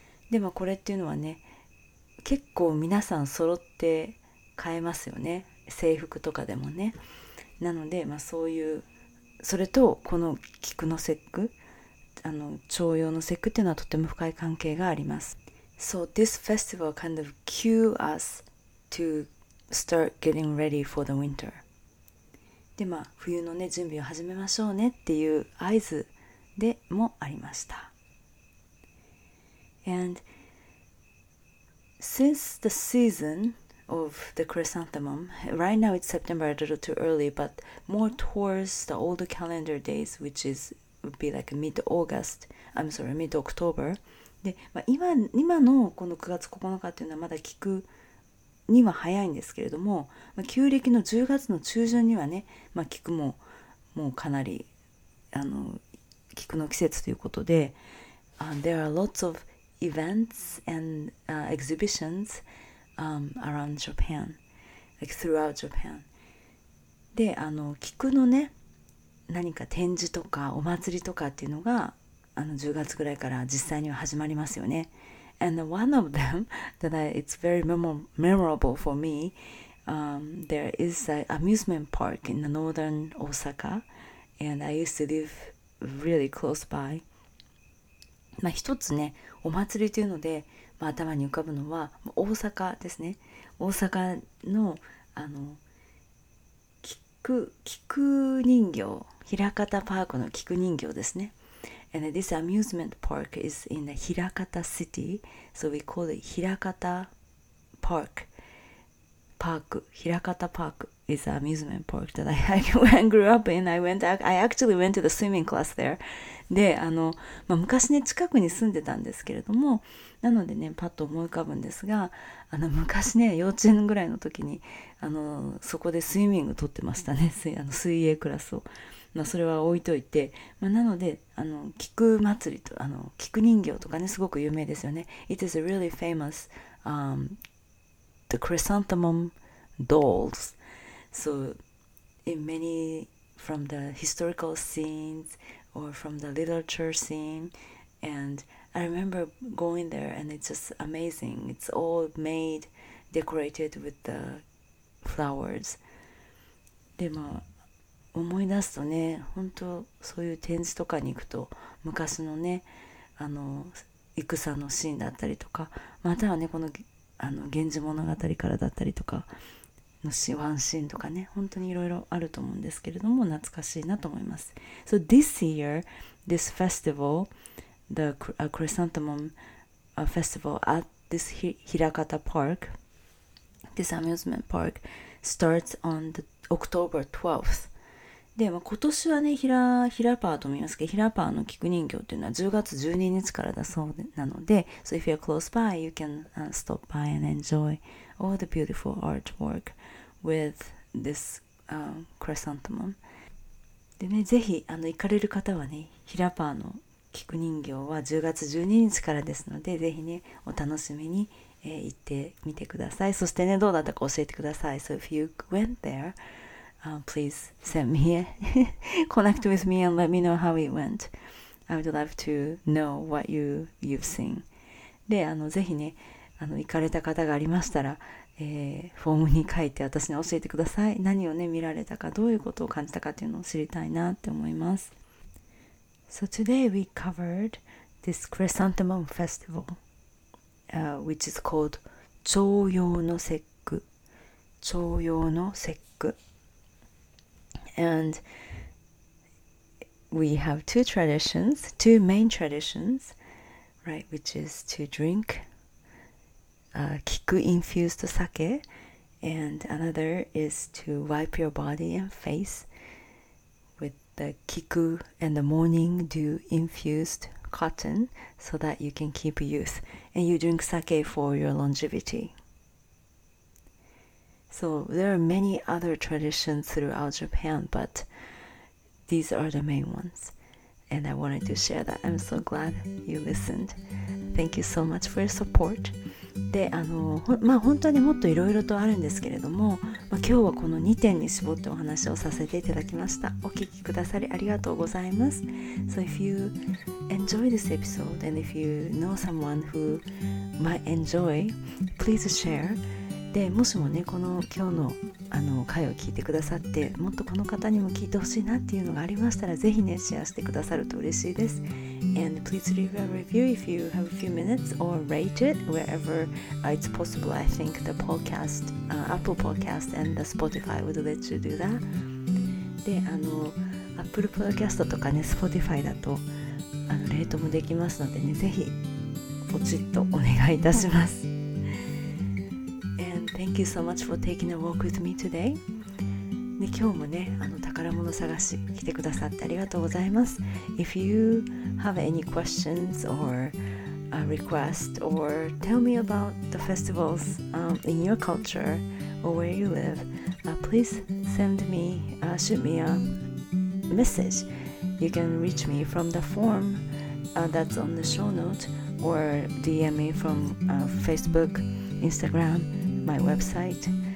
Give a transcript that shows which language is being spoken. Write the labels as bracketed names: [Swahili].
[Japanese] で、まあ、これっていうのはね結構皆さん揃って買えますよね、制服とかでもね。なので、まあ、そういうそれとこの菊の節句、あの重陽の節句っていうのはとても深い関係があります。 [English] So this festival kind of cue us to start getting ready for the winter. [Japanese] で、まあ冬のね準備を始めましょうねっていう合図でもありました。 [English] And since the season of the chrysanthemum. Right now it's September a little too early, but more towards the old calendar days, which is would be like mid-August. I'm sorry, mid-October. [Japanese] で、まあ、今のこの9月9日っていうのはまだ聞くには早いんですけれども、まあ、旧暦の10月の中旬にはね、まあ、聞くももうかなりあの聞くの季節ということで、 [English] There are lots of events and exhibitions. Around Japan, like throughout Japan. [Japanese] で、あの菊のね、何か展示とかお祭りとかっていうのが、あの10月ぐらいから実際には始まりますよね。 [English] And one of them that it's very memorable for me, there is an amusement park in the northern Osaka, and I used to live really close by. [Japanese] まあ一つね、お祭りというので。まあ、頭に浮かぶのは大阪ですね。大阪のあの菊人形、枚方パークの菊人形ですね。 [English] And this amusement park is in the Hirakata City, so we call it Hirakata Park. Park, Hirakata Park is an amusement park that I actually went to the swimming class there. [Japanese] で、あの、まあ、昔ね近くに住んでたんですけれども。なのでね、パッと思い浮かぶんですが、あの昔ね、幼稚園ぐらいの時に、あのそこでスイミング取ってましたね、あの水泳クラスを。まあ、それは置いといて、まあ、なので、あの菊祭りと、あの菊人形とかね、すごく有名ですよね。 [English] It is a really famous, the chrysanthemum dolls. So, in many, from the historical scenes, or from the literature scene, andI remember going there and it's just amazing. It's all made, decorated with the flowers. [Japanese] でも、まあ、思い出すとね、本当そういう展示とかに行くと昔のね、あの戦のシーンだったりとか、またはね、この、 あの源氏物語からだったりとかのシーン、ワンシーンとかね、本当にいろいろあると思うんですけれども、懐かしいなと思います。 [English] So this year, this festival,The Chrysanthemum Festival at this Hirakata Park, this amusement park, starts on the October 12th. [Japanese] で、まあ、今年はね、ひらパーと見ますけど、ひらパーの菊人形っていうのは10月12日からだそうなので、 [English] So if you're close by, you can stop by and enjoy all the beautiful artwork with this chrysanthemum. [Japanese] でね、ぜひ行かれる方はね、ひらパーの菊人形は10月12日からですので、ぜひね、お楽しみに、行ってみてください。そしてね、どうだったか教えてください。 [English] So if you went there,please send me a connect with me and let me know how it went. I would love to know what you've seen. [Japanese] で、ぜひね、行かれた方がありましたら、フォームに書いて私に教えてください。何をね、見られたか、どういうことを感じたかっていうのを知りたいなって思います。 [English] So today we covered this Chrysanthemum Festival, which is called 重陽の節句。 [Japanese] 重陽の節句。 [English] And we have two traditions, two main traditions, right? Which is to drink kiku-infused sake, and another is to wipe your body and face with the kiku and the morning dew-infused cotton so that you can keep youth. And you drink sake for your longevity. So there are many other traditions throughout Japan, but these are the main ones. And I wanted to share that. I'm so glad you listened. Thank you so much for your support. [Japanese] で、まあ本当にもっといろいろとあるんですけれども、まあ、今日はこの2点に絞ってお話をさせていただきました。お聞きくださりありがとうございます。 [English] So if you enjoy this episode and if you know someone who might enjoy, please share. [Japanese] でもしもね、この今日の、回を聞いてくださって、もっとこの方にも聞いてほしいなっていうのがありましたら、ぜひね、シェアしてくださると嬉しいです。 [English] And please leave a review if you have a few minutes or rate it wherever it's possible. I think the podcast, Apple Podcast and the Spotify would let you do that. [Japanese] で、Apple Podcast とかね、Spotify だと、レートもできますのでね、ぜひ、ポチッとお願いいたします。 [English] Thank you so much for taking a walk with me today. [Japanese] で今日もね、宝物探し来てくださってありがとうございます。 [English] If you have any questions or a request or tell me about the festivals in your culture or where you live, please send me, shoot me a message. You can reach me from the form that's on the show note or DM me from Facebook, Instagram,my website.